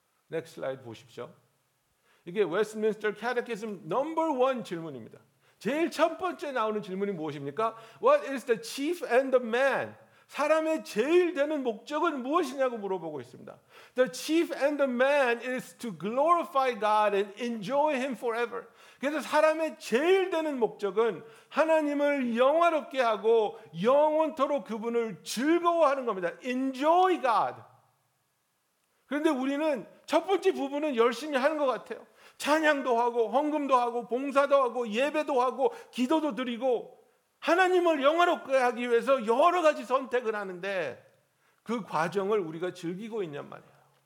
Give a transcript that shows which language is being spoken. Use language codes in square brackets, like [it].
[en] Next slide [ko] 보십시오. 이게 웨스트민스터 캐테키즘 넘버 원 질문입니다. 제일 첫 번째 나오는 질문이 무엇입니까? [en] What is the chief end of man? [ko] 사람의 제일 되는 목적은 무엇이냐고 물어보고 있습니다. [en] The chief end of man is to glorify God and enjoy him forever. [ko] 그래서 사람의 제일 되는 목적은 하나님을 영화롭게 하고 영원토록 그분을 즐거워하는 겁니다. [en] Enjoy God. [ko] 그런데 우리는 첫 번째 부분은 열심히 하는 것 같아요. 찬양도 하고 헌금도 하고 봉사도 하고 예배도 하고 기도도 드리고 하나님을 영화롭게 하기 위해서 여러 가지 선택을 하는데 그 과정을 우리가 즐기고 있냔 말이에요.